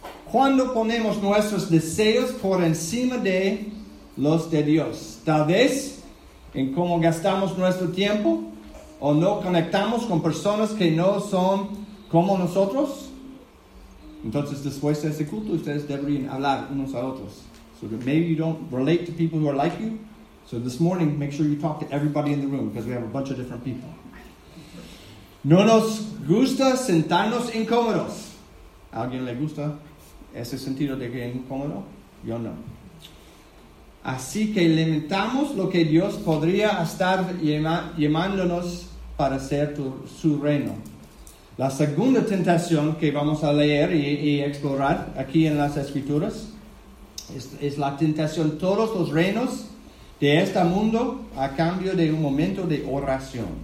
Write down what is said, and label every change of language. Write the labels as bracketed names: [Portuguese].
[Spanish] Cuando ponemos nuestros deseos por encima de los de Dios, tal vez en cómo gastamos nuestro tiempo, o no conectamos con personas que no son como nosotros, entonces después de ese culto ustedes deberían hablar unos a otros. [English] So that maybe you don't relate to people who are like you. So this morning, make sure you talk to everybody in the room because we have a bunch of different people. [Spanish] No nos gusta sentarnos incómodos. ¿A alguien le gusta ese sentido de que es incómodo? Yo no. Así que limitamos lo que Dios podría estar llamándonos para hacer su reino. La segunda tentación que vamos a leer y explorar aquí en las Escrituras es la tentación de todos los reinos de este mundo a cambio de un momento de oración.